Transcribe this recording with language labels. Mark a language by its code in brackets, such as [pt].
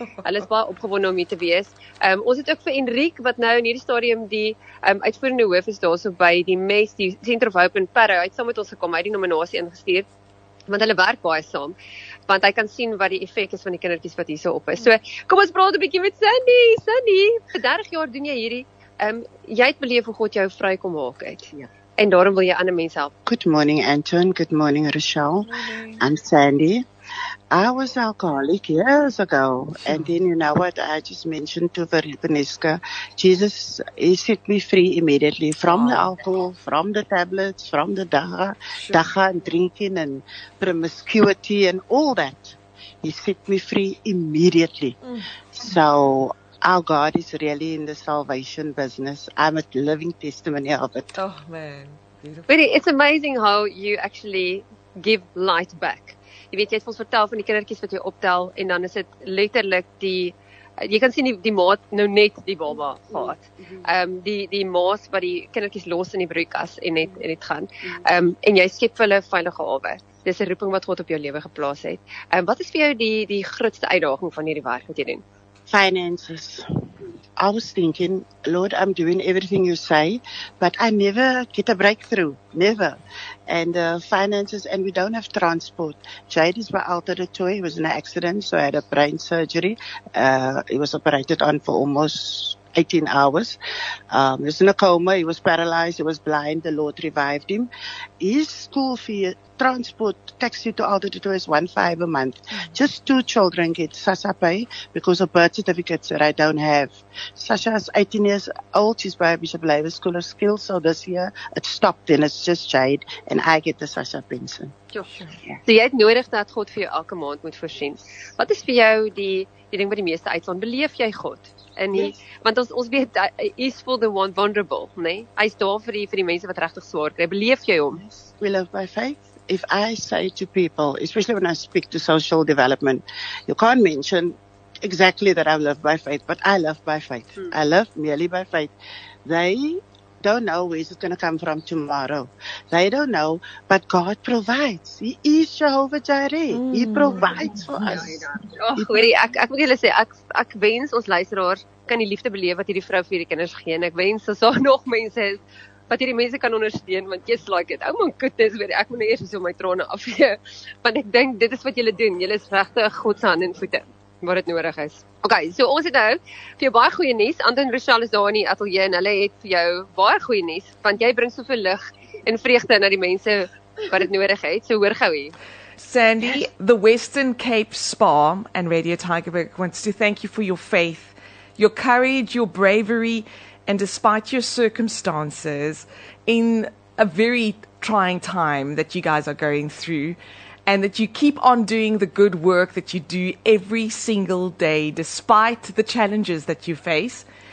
[af] Hulle is baie opgewonde om hier te wees. Ons het ook vir Enriek wat nou in hierdie stadium die uitvoerende hoof is daarso by die MES, die Center of Hope in Parow. Hy het saam met ons gekom, hy het die nominasie ingestuur. Want hulle werk baie saam. Want hy kan sien wat die effek is van die kindertjies wat hierso op is. So, kom ons praat 'n bietjie met Sandy. Sandy, vir 30 jaar doen jy hierdie. Jy het beleef hoe God jou vry kom maak uit. Ja. En daarom wil jy ander mense help. [en] Good morning, Anton. Good morning, Rochelle. Morning. I'm Sandy. I was alcoholic years ago. And then, you know what? I just mentioned to Veripaniska, Jesus, he set me free immediately from the alcohol, from the tablets, from the dacha and drinking and promiscuity and all that. He set me free immediately. So our God is really in the salvation business. I'm a living testimony of it. Oh, man. Beautiful. But it's amazing how you actually give light back. [af] Jy weet, jy het ons vertel van die kindertjies wat jy optel en dan is dit letterlik die, jy kan sien die maat nou net die baba gehad. Die maas wat die kindertjies los in die broeikas en net in dit gaan. En jy skep vir hulle veilige hawe. Dis 'n roeping wat God op jou lewe geplaas het. Wat is vir jou die grootste uitdaging van hierdie werk wat jy doen? [en] Finances. I was thinking, Lord, I'm doing everything you say, but I never get a breakthrough, never. And finances, and we don't have transport. Jade is my altered toy. He was in an accident, so I had a brain surgery. He was operated on for almost 18 hours. He was in a coma. He was paralyzed. He was blind. The Lord revived him. His school fee, transport, taxi to altered toy is $1,500 a month. Just two children get Sasha pay because of birth certificates that I don't have. Sasha is 18 years old. She's by Bishop Labor School of Skills. So this year, it stopped and it's just Jade. And I get the Sasha pension. Yeah. [af] So jy het nodig dat God vir jou elke maand moet voorsien. Wat is vir jou die ding wat die meeste uitstaan? Beleef jy God? En die, want ons weet, [en] he is for the one vulnerable, [af] nee? Hy is daar vir die mense wat regtig swaar kry. Beleef jy hom? [en] We live by faith. If I say to people, especially when I speak to social development, you can't mention exactly that I live by faith, but I live by faith. Hmm. I live merely by faith. They don't know where it's going to come from tomorrow. They don't know, but God provides. He is Jehovah Jireh. He provides for us. [af] Ek moet julle sê, ek wens ons luisteraars kan die liefde beleef wat hierdie vrou vir hierdie kinders gee. Ek wens as daar nog mense is wat hierdie mense kan ondersteun, want [en] just like it. Oh my goodness, [af] ek moet nou eers so my trane afvee. Want ek dink dit is wat julle doen. Julle is regtig God se hande en voete wat dit nodig is. Ok, so ons het nou vir jou baie goeie nuus. Anton Rochelle is daar in die atelier en hulle het vir jou baie goeie nuus, want jy bring soveel lig en vreugde na die mense wat dit nodig het. So hoor gou hier. [en] Sandy, the Western Cape Spa and Radio Tigerberg wants to thank you for your faith, your courage, your bravery, and despite your circumstances in a very trying time that you guys are going through, and that you keep on doing the good work that you do every single day, despite the challenges that you face.